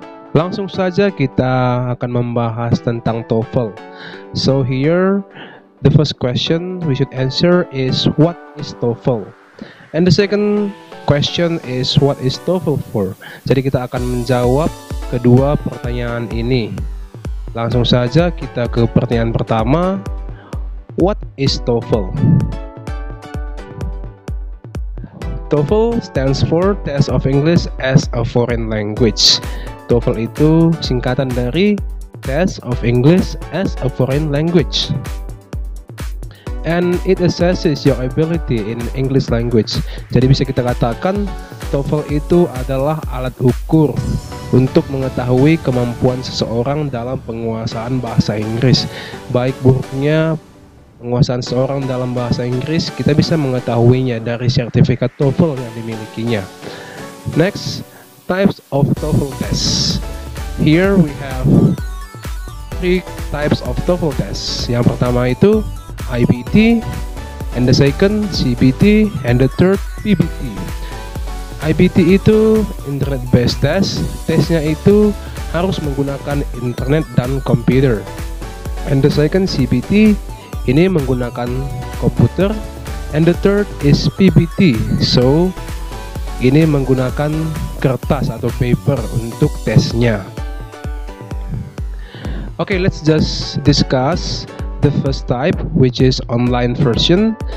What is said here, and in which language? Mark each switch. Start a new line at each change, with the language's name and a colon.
Indonesian: Langsung saja kita akan membahas tentang TOEFL.
English: So here, the first question we should answer is what is TOEFL? And the second question is what is TOEFL for?
Indonesian: Jadi kita akan menjawab kedua pertanyaan ini. Langsung saja kita ke pertanyaan pertama.
English: What is TOEFL? TOEFL stands for Test of English as a Foreign Language.
Indonesian: TOEFL itu singkatan dari Test of English as a Foreign Language.
English: And it assesses your ability in English language.
Indonesian: Jadi bisa kita katakan TOEFL itu adalah alat ukur untuk mengetahui kemampuan seseorang dalam penguasaan bahasa Inggris. Baik buruknya penguasaan seseorang dalam bahasa Inggris, kita bisa mengetahuinya dari sertifikat TOEFL yang dimilikinya.
English: Next, types of TOEFL tests. Here we have 3 types of TOEFL tests.
Indonesian: Yang pertama itu
English: IBT, and the second CBT, and the third PBT.
Indonesian: IBT itu internet based test. Tesnya itu harus menggunakan internet dan komputer.
English: And the second CBT
Indonesian: ini menggunakan komputer,
English: and the third is PBT.
Indonesian: So ini menggunakan kertas atau paper untuk tesnya.
English: Okay, let's just discuss the first type, which is online version.